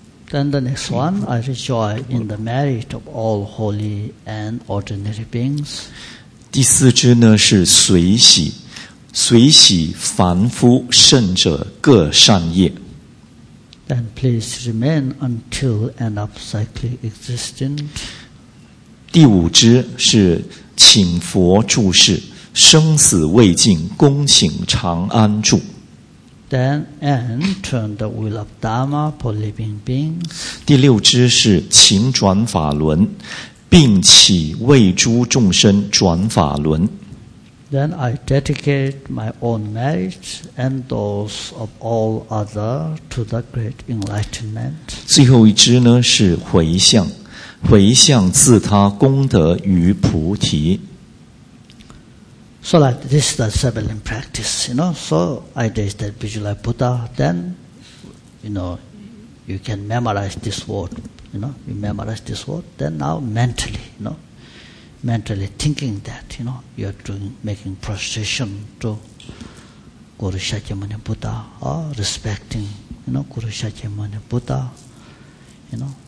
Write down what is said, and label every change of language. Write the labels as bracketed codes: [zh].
[en] Then the next one, I rejoice in the merit of all holy and ordinary beings. [zh] 第四支呢是随喜，随喜凡夫圣者各善业。 [en] Then please remain until end of cycle existent. [zh] 第五支是请佛住世，生死未尽，恭请长安住。 [en] Then and turn the wheel of Dharma for living beings. [zh] 第六支是请转法轮，并起为诸众生转法轮。 [en] Then I dedicate my own merit and those of all other to the great enlightenment. [zh] 最后一支呢是回向，回向自他功德与菩提。 [en] So like this is the seven practice, you know. So I raise that visualize Buddha, then, you know, you can memorize this word, you know. You memorize this word, then now mentally, you know, mentally thinking that, you know, you are doing making prostration to Guru Shakyamuni Buddha, or respecting, you know, Guru Shakyamuni Buddha, you know.